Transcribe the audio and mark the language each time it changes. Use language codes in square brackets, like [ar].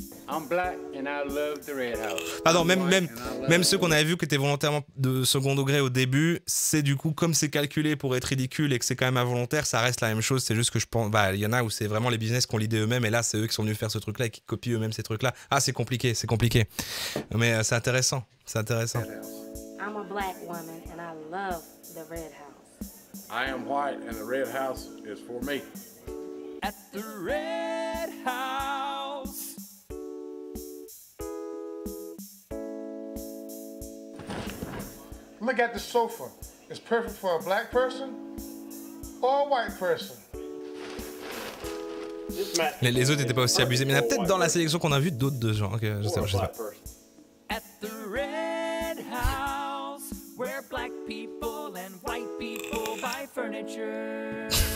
[en] I'm black and I love the Red House. [fr] Ah non, même ceux qu'on avait vu qui étaient volontairement de second degré au début, c'est du coup, comme c'est calculé pour être ridicule et que c'est quand même involontaire, ça reste la même chose. C'est juste que je pense, il y en a où c'est vraiment les business qui ont l'idée eux-mêmes et là, c'est eux qui sont venus faire ce truc-là et qui copient eux-mêmes ces trucs-là. Ah, c'est compliqué. Mais c'est intéressant. [en] I'm a black woman and I love the Red House. I am white and the Red House is for me. At the Red House. Look at the sofa. It's perfect for a black person or a white person. [fr] Les autres n'étaient pas aussi abusés, mais il y a peut-être dans la sélection qu'on a vu d'autres deux gens. Okay, je sais pas. [en] At the Red House, where black people and white people buy furniture.